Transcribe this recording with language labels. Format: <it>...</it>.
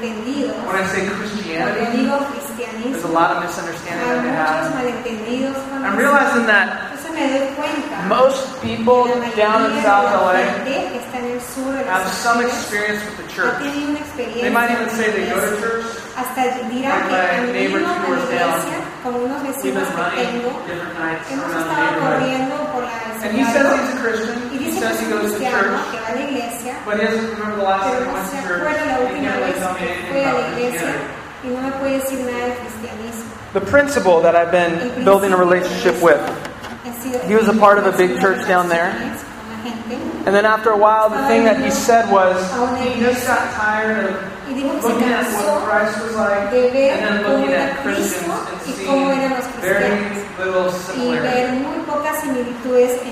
<en>When I say Christianity, there's a lot of misunderstandings they have. I'm realizing that most people down in South LA have some experience with the church. They might even say they go to church.</en> <es>Hasta dirán que venimos a la iglesia con unos vecinos que tengo. Hemos estado corriendo por la iglesia. Y dice que es cristiano, que va a la iglesia. Pero no se acuerda la última vez que fue a la iglesia y no me puede decir nada del cristianismo.</es> <en>The principle that I've been building a relationship with. He was a part of a big church down there. And then after a while, the thing that he said was, he just got tired of looking at what Christ was like, and then looking at Christians and seeing very little similarities.</en>